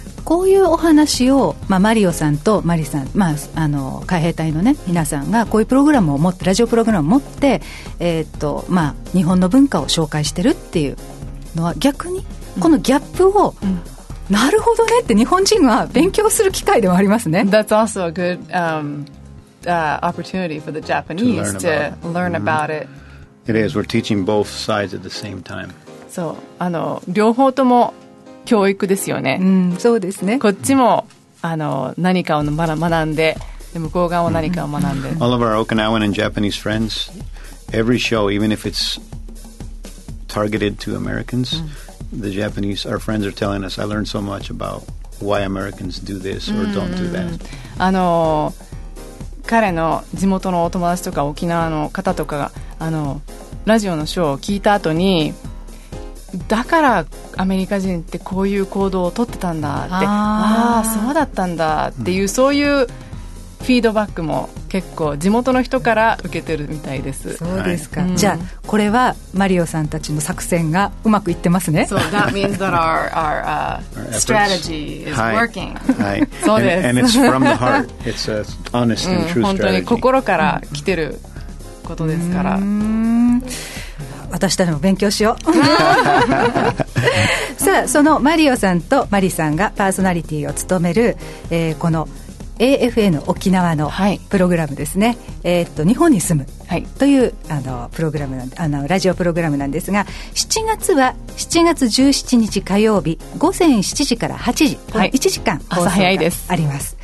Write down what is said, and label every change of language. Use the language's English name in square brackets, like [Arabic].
[Japanese] こういうお話を、まあ、マリオさんとマリさん、まあ、あの海兵隊の、ね、皆さんがこういうプログラムを持ってラジオプログラムを持って、まあ、日本の文化を紹介してるっていうのは逆にこのギャップを、うん、なるほどねって日本人は勉強する機会でもありますね。 [English] That's also a good、opportunity for the Japanese to learn about it. It is. We're teaching both sides at the same time. [Japanese] そう、あの両方とも教育ですよね。うん、そうですね。こっちもあの何かを学んで、向こう側も何かを学んで。 [English] All of our Okinawan and Japanese friends, every show, even if it's targeted to Americans, the Japanese, our friends are telling us, I learned so much about why Americans do this or don't do that. [Japanese] あの彼の地元のお友達とか沖縄の方とかがあのラジオのショーを聞いた後に、だからアメリカ人ってこういう行動を取ってたんだって、ああそうだったんだっていう、うん、そういうフィードバックも結構地元の人から受けてるみたいです。そうですか、うん、じゃあこれはマリオさんたちの作戦がうまくいってますね。 [English] So that means that our strategy is working. [Japanese] はい、そうです。 [English] And it's from the heart. It's an honest and true strategy. [Japanese] 本当に心から来てることですから。うーん、私たちも勉強しよう。さあ、そのマリオさんとマリさんがパーソナリティを務める、このAFN 沖縄のプログラムですね、はい、日本に住むというプログラムなんで、ラジオプログラムなんですが、7月は7月17日火曜日午前7時から8時、はい、1時間放送があります。